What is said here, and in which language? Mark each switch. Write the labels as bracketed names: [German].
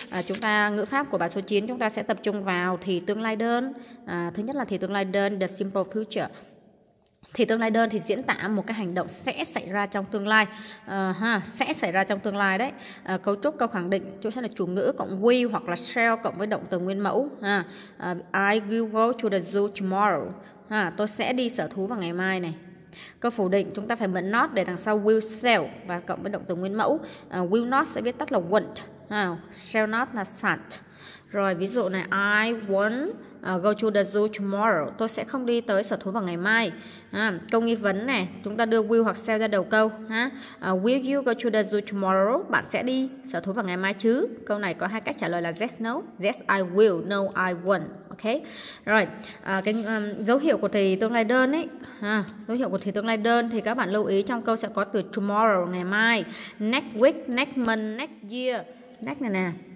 [Vietnamese] Chúng ta ngữ pháp của bài số 9 chúng ta sẽ tập trung vào thì tương lai đơn. Thứ nhất là thì tương lai đơn, [English] the simple future. [Vietnamese] Thì tương lai đơn thì diễn tả một cái hành động sẽ xảy ra trong tương lai. Sẽ xảy ra trong tương lai đấy. Cấu trúc câu khẳng định, chỗ sẽ là chủ ngữ cộng will hoặc là shall cộng với động từ nguyên mẫu. [English] I will go to the zoo tomorrow. [Vietnamese] Tôi sẽ đi sở thú vào ngày mai này. Câu phủ định chúng ta phải mượn not để đằng sau will shall và cộng với động từ nguyên mẫu. Will not sẽ viết tắt là won't, shall not là shan't. Rồi ví dụ này, [English] I won't go to the zoo tomorrow. [Vietnamese] Tôi sẽ không đi tới sở thú vào ngày mai. Câu nghi vấn này, chúng ta đưa will hoặc shall ra đầu câu. [English] Will you go to the zoo tomorrow? [Vietnamese] Bạn sẽ đi sở thú vào ngày mai chứ? Câu này có hai cách trả lời là yes, no. [English] Yes, I will. No, I won't. [Vietnamese] ok. Rồi, cái dấu hiệu của thì tương lai đơn ấy, dấu hiệu của thì tương lai đơn thì các bạn lưu ý trong câu sẽ có từ tomorrow, ngày mai, [English] next week, next month, next year. [Vietnamese] Next này nè.